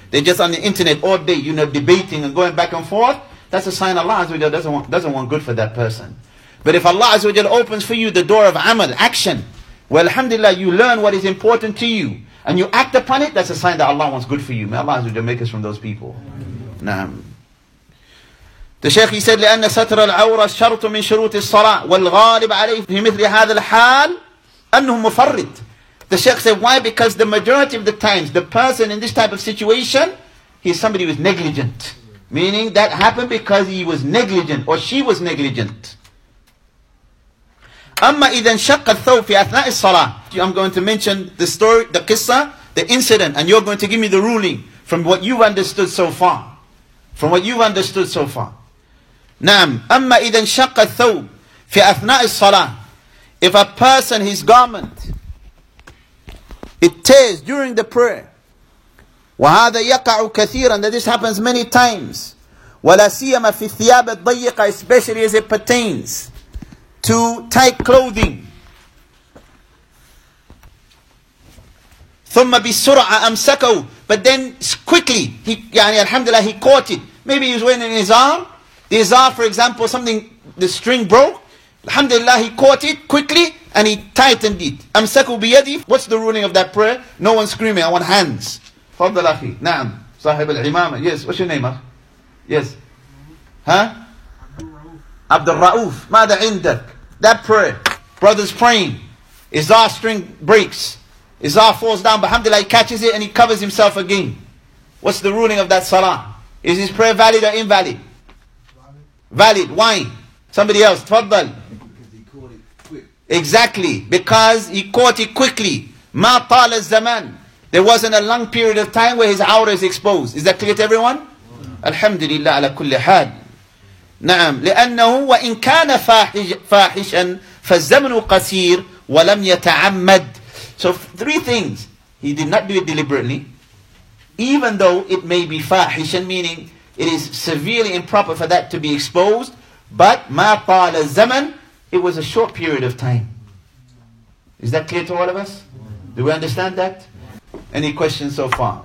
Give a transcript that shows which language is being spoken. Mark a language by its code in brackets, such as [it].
[en] They're just on the internet all day, you know, debating and going back and forth. That's a sign Allah Azza wa Jalla doesn't want good for that person. But if Allah Azza wa Jalla opens for you the door of amal, action, well, alhamdulillah, you learn what is important to you and you act upon it, that's a sign that Allah wants good for you. May Allah Azza wa Jalla make us from those people. [ar] Naam. [en] The Shaykh, he said, [ar] لأن ستر العورة شرط من شروط الصلاة والغالب عليه في مثل هذا الحال أنه مفرط. [en] The Shaykh said, why? Because the majority of the times, the person in this type of situation, he is somebody who is negligent. Meaning that happened because he was negligent or she was negligent. [ar] أما إذا انشق الثوب في أثناء الصلاة. [en] I'm going to mention the story, the qissa, the incident, and you're going to give me the ruling from what you've understood so far. From what you've understood so far. [ar] نعم. أما إذا انشق الثوب في أثناء الصلاة. [en] If a person, his garment, it tears during the prayer. [ar] وهذا يقع كثيرا, [en] that this happens many times. [ar] ولا سيما في الثياب الضيقة, [en] especially as it pertains to tight clothing. [ar] ثم بسرعة أمسكه, [en] but then quickly, he, [ar] يعني الحمد لله, [en] he caught it. Maybe he was wearing an izar. The izar, for example, something, the string broke. Alhamdulillah, he caught it quickly and he tightened it. [ar] أمسكوا بيدي. [en] What's the ruling of that prayer? No one screaming, I want hands. [ar] تفضل أخي. نعم صاحب العمامة. يس وش نيمر؟ يس ها عبد الرؤوف. ماذا عندك؟ [en] That prayer, brothers praying, his R string breaks, his R falls down, but alhamdulillah he catches it and he covers himself again. What's the ruling of that salah? Is his prayer valid or invalid? Valid. Why? Somebody else. Tafadal. Because he caught it quick. Exactly. Because he caught it quickly. Ma tala zaman. There wasn't a long period of time where his aura is exposed. Is that clear to everyone? Alhamdulillah ala kulli had. [ar] نعم لأنه وإن كان فاحشا فالزمن قصير ولم يتعمد. [en] So three things. He did not do it deliberately. Even though it may be فاحشا, meaning it is severely improper for that to be exposed, but [ar] ما طال الزمن, [en] it was a short period of time. Is that clear to all of us? Do we understand that? Any questions so far?